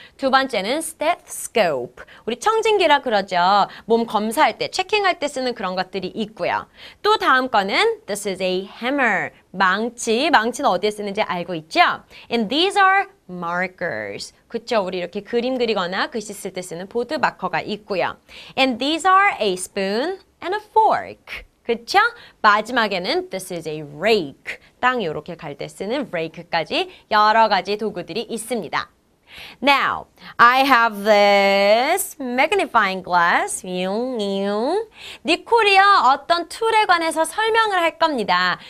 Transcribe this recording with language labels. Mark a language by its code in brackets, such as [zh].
[ko] 두 번째는 stethoscope. 우리 청진기라 그러죠. 몸 검사할 때, 체킹할 때 쓰는 그런 것들이 있고요. 또 다음 거는 [en] this is a hammer. [ko] 망치, 망치는 어디에 쓰는지 알고 있죠? [en] And these are markers. [ko] 그쵸, 우리 이렇게 그림 그리거나 글씨 쓸 때 쓰는 보드 마커가 있고요. [en] And these are a spoon and a fork. [ko] 그쵸? 마지막에는 [en] this is a rake. [ko] 땅 이렇게 갈 때 쓰는 rake까지 여러 가지 도구들이 있습니다. [en] Now, I have this magnifying glass. [ko] 니콜이요, 어떤 툴에 관해서 설명을 할 겁니다.